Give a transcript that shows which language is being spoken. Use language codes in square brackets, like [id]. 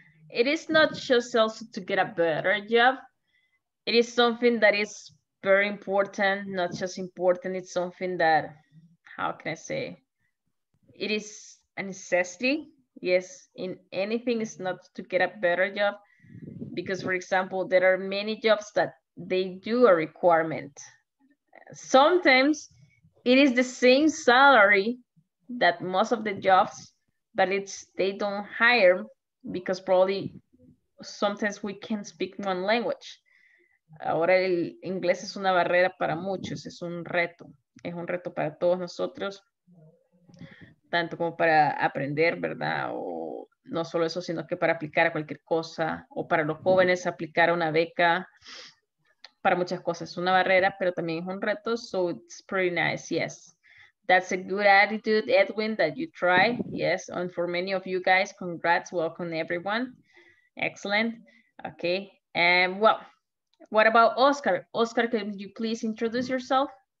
[en] It is not just also to get a better job. It is something that is very important, not just important, it's something that, how can I say, it is a necessity, yes, in anything, is not to get a better job, because for example, there are many jobs that they do a requirement. Sometimes it is the same salary that most of the jobs, but it's they don't hire because probably sometimes we can speak one language. [es] Ahora el inglés es una barrera para muchos, es un reto. Es un reto para todos nosotros, tanto como para aprender, ¿verdad? O no solo eso, sino que para aplicar a cualquier cosa, o para los jóvenes aplicar a una beca, para muchas cosas. Es una barrera, pero también es un reto, [en] so it's pretty nice, yes. That's a good attitude, Edwin, that you try, yes. And for many of you guys, congrats, welcome everyone. Excellent, okay, and well, what about Oscar? Oscar, can you please introduce yourself?